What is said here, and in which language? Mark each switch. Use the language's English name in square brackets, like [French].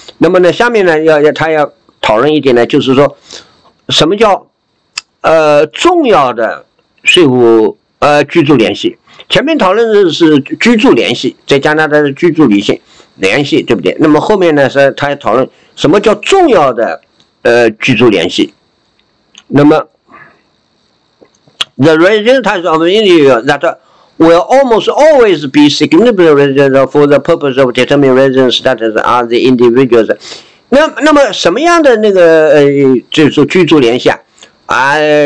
[Chinese] 那么呢，下面呢他要讨论一点呢，就是说什么叫重要的税务居住联系。前面讨论的是居住联系，在加拿大的居住联系，对不对？那么后面呢是他讨论什么叫重要的居住联系。那么 [English] ，the residence of an individual that will almost always be significant resident for the purpose of determining residence status of the individuals。 [Chinese] 那么什么样的那个就是居住联系啊？